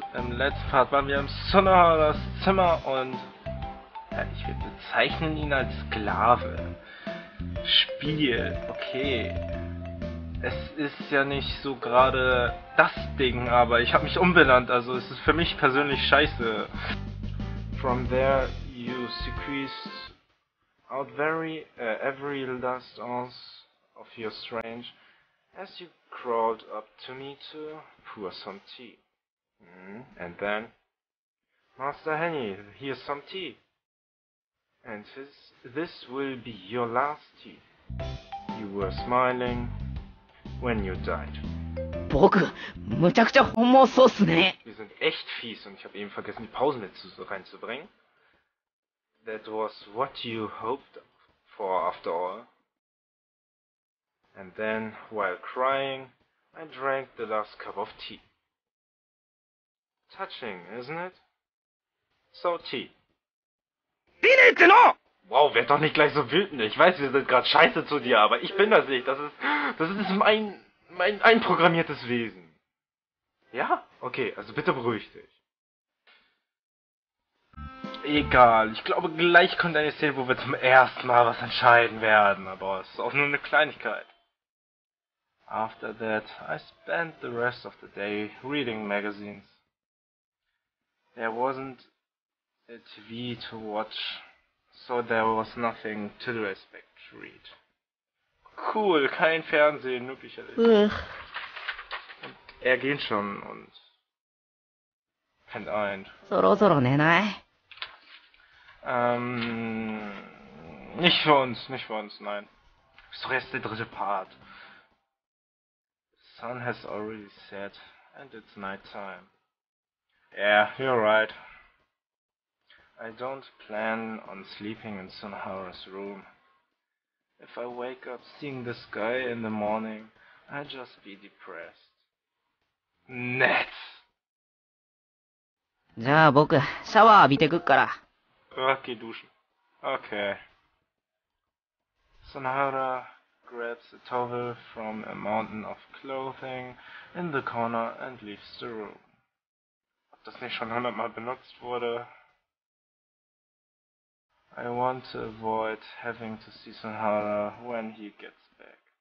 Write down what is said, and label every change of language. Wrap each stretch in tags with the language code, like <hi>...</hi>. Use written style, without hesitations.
<de>Im letzten Part waren wir im Sonnenhauers Zimmer und ja, ich würde bezeichnen ihn als Sklave. Spiel, okay. Es ist ja nicht so gerade das Ding, aber ich habe mich umbenannt, also es ist für mich persönlich scheiße.</de> <en>From there you squeeze out every last ounce of your strange. As you crawled up to me to pour some tea. And then, Master Henny, here's some tea. And this will be your last tea. You were smiling when you died.</en> <ja>僕, むちゃくちゃ本望そうっすね。</ja> <de>Wir sind echt fies und ich habe eben vergessen, die Pausen mit reinzubringen.</de> <en>That was what you hoped for after all. And then, while crying, I drank the last cup of tea. Touching, isn't it? So tea. Dinetino!</en> <de>Wow, werd doch nicht gleich so wütend. Ich weiß, wir sind gerade scheiße zu dir, aber ich bin das nicht. Das ist mein einprogrammiertes Wesen. Ja? Okay, also bitte beruhig dich. Egal, ich glaube, gleich kommt eine Szene, wo wir zum ersten Mal was entscheiden werden. Aber es ist auch nur eine Kleinigkeit.</de> <en>After that, I spent the rest of the day reading magazines. There wasn't a TV to watch, so there was nothing to do except read.</en> <de>Cool, kein Fernsehen, nur Bücher. Und er geht schon und pennt ein. Soro, ne, nein. Nicht für uns, nein. Ist doch erst der dritte Part.</de> <en>Sun has already set, and it's night time. Yeah, you're right. I don't plan on sleeping in Sunhara's room. If I wake up seeing the sky in the morning, I'll just be depressed. Net!</en> <ja>じゃあ僕、シャワー浴びてくっから。</ja> <de>Okay, duschen. Okay.</de> <en>Sunhara grabs a towel from a mountain of clothing in the corner and leaves the room.</en> <de>Ob das nicht schon 100-mal benutzt wurde?</de> <en>I want to avoid having to see Sunhara when he gets back.</en>